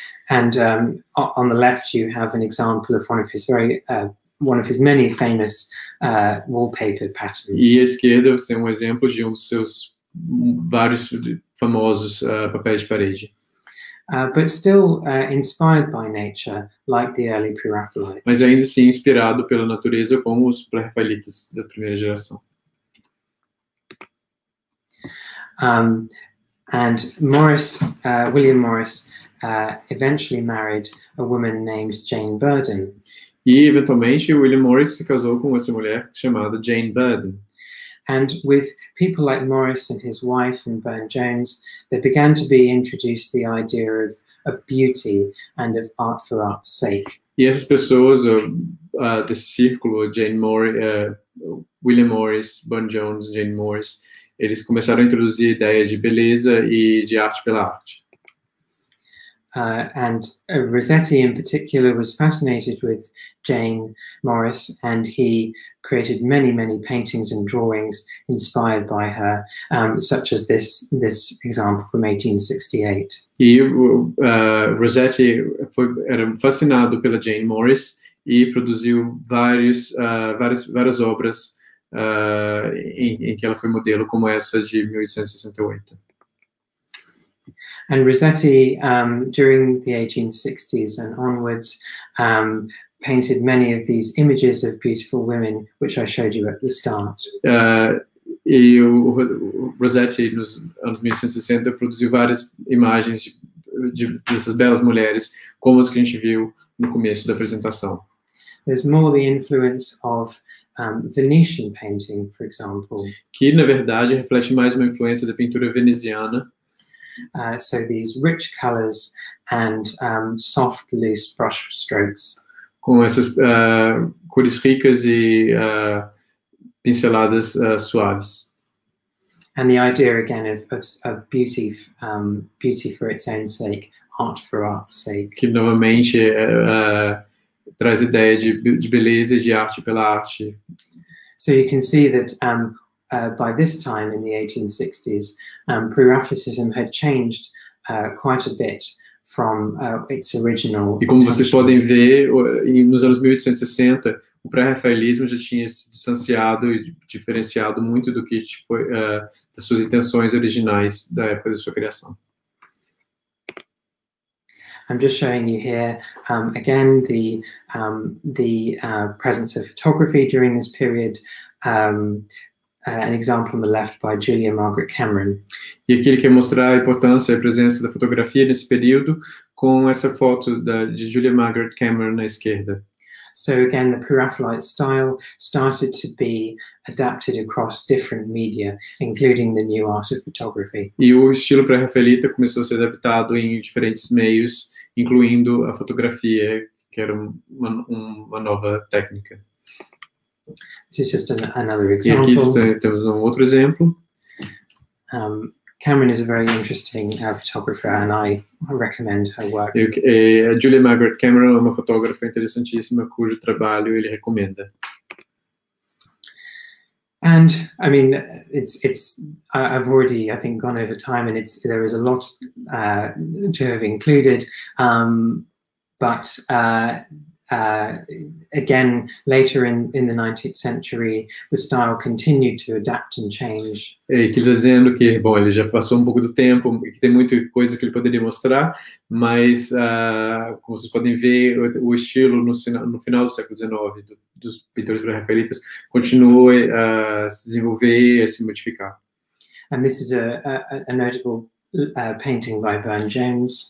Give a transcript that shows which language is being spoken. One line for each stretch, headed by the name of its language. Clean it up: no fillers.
English: And on the left you have an example of one of his many famous wallpaper patterns.
Portuguese: E à esquerda você tem um exemplo de um dos seus vários famosos papéis de parede.
English: But still inspired by nature, like the early Pre-Raphaelites.
Portuguese: Mas ainda assim inspirado pela natureza, como os Pre-Raphaelites da primeira geração.
English: And William Morris eventually married a woman named Jane Burden.
Portuguese: E eventualmente William Morris se casou com essa mulher chamada Jane Burden.
English: And with people like Morris and his wife and Burne Jones, they began to be introduced the idea of beauty and of art for art's sake.
Portuguese: E essas pessoas desse círculo, Jane Morris, William Morris, Burne Jones, Jane Morris, eles começaram a introduzir a ideia de beleza e de arte pela arte.
English: And Rossetti in particular was fascinated with Jane Morris, and he created many, many paintings and drawings inspired by her, such as this example from 1868.
Portuguese: E Rossetti era fascinado pela Jane Morris e produziu várias obras em que ela foi modelo, como essa de 1868.
English: And Rossetti, during the 1860s and onwards, painted many of these images of beautiful women, which I showed you at the start.
Portuguese: E o Rossetti, nos anos 1860, produziu várias imagens dessas belas mulheres, como as que a gente viu no começo da apresentação.
English: There's more the influence of Venetian painting, for example.
Portuguese: Que, na verdade, reflete mais uma influência da pintura veneziana.
English: So these rich colors and soft, loose brush strokes.
Portuguese: Com essas cores ricas e pinceladas suaves.
English: And the idea again of beauty, beauty for its own sake, art for art's sake.
Portuguese: Que novamente traz a ideia de beleza e de arte pela arte.
English: So you can see that by this time in the 1860s, Pre-Raphaelism had changed quite a bit from its original.
Portuguese: E como vocês podem ver, nos anos 1860, o pré-rafaelismo já tinha se distanciado e diferenciado muito do que foi das suas intenções originais da época de sua criação.
English: I'm just showing you here again the presence of photography during this period. An example on the left by Julia Margaret Cameron.
Portuguese: E aqui ele quer mostrar a importância e a presença da fotografia nesse período com essa foto de Julia Margaret Cameron na esquerda.
English: So again, the Pre-Raphaelite style started to be adapted across different media, including the new art of photography.
Portuguese: E o estilo pré-rafaelita começou a ser adaptado em diferentes meios, incluindo a fotografia, que era uma nova técnica.
English: This is just another example.
Portuguese: E aqui temos outro exemplo.
English: Cameron is a very interesting photographer, and I recommend her work.
Portuguese: Julia Margaret Cameron é uma fotógrafa interessantíssima cujo trabalho ele recomenda.
English: And I mean, I've already, I think, gone over time, and there is a lot to have included, again, later in the 19th century, the style continued to adapt and change.
Portuguese: Ele está dizendo que, bom, ele já passou um pouco do tempo, que tem muita coisa que ele poderia mostrar, mas, como vocês podem ver, o estilo no final do século XIX dos pintores pré-rafaelitas continuou a se desenvolver e a se modificar.
English: And this is a notable painting by Burne Jones.